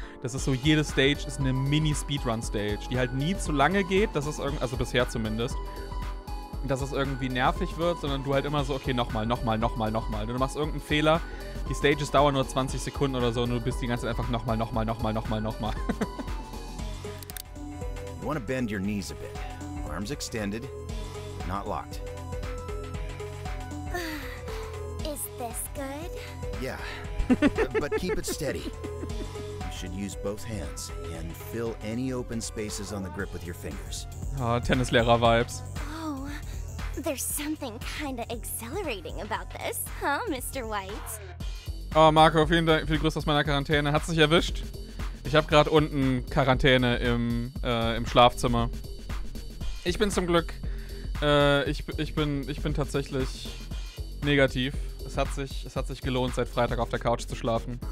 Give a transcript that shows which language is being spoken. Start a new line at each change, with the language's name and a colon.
German: Das ist so, jede Stage ist eine Mini-Speedrun-Stage, die halt nie zu lange geht, also bisher zumindest, dass es irgendwie nervig wird, sondern du halt immer so, okay, nochmal, nochmal, nochmal, nochmal. Du machst irgendeinen Fehler, die Stages dauern nur 20 Sekunden oder so und du bist die ganze Zeit einfach nochmal, nochmal, nochmal, nochmal, nochmal.
English: You want to bend your knees a bit. Arms extended, not locked. Is this good? Yeah, but keep it steady. You should use both hands and fill any open spaces on the grip with your fingers.
German: Oh, Tennislehrer-Vibes.
English: Oh, there's something kind of exhilarating about this, huh, Mr. White?
German: Oh, Marco, vielen Dank für die Grüße aus meiner Quarantäne. Hat's dich erwischt? Ich hab grad unten Quarantäne im Schlafzimmer. Ich bin zum Glück, ich bin tatsächlich negativ. Es hat sich gelohnt, seit Freitag auf der Couch zu schlafen.